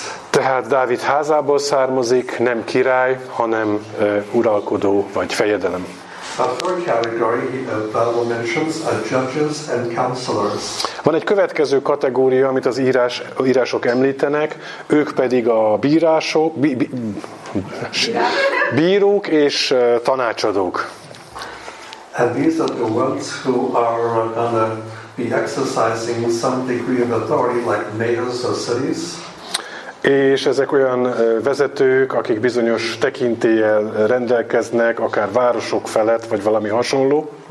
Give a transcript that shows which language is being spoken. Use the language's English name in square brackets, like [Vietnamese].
[Hungarian] Tehát Dávid házából származik, nem király, hanem uralkodó, vagy fejedelem. [English] A third category the Bible mentions are judges and counselors. [Hungarian] Van egy következő kategória, amit az írások említenek, ők pedig a bírások, bírók és tanácsadók. [English] And these are the ones who are going to be exercising some degree of authority, like mayors or cities. [Hungarian] És ezek olyan vezetők, akik bizonyos tekintéllyel rendelkeznek, akár városok felett, vagy valami hasonló.